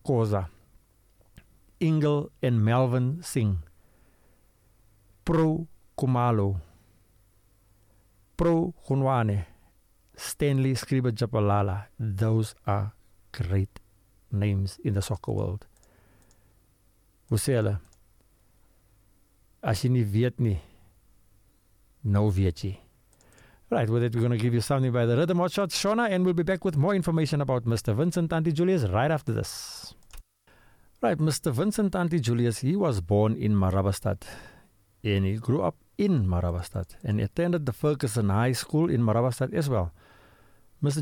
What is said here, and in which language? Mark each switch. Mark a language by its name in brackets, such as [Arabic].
[English] Koza, Ingle and Melvin Singh, Pro Kumalo, Pro Khonkhwane, Stanley Scriba Japalala. Those are great names in the soccer world. [Afrikaans] Hoesele, as jy nie weet nie, nou weet jy. [English] Right, with it, we're going to give you something by the Rhythm Hotshot, Shona, and we'll be back with more information about Mr. Vincent Antijulius right after this. Right, Mr. Vincent Antijulius, he was born in Marabastad, and he grew up in Marabastad, and attended the Ferguson High School in Marabastad as well. Mr.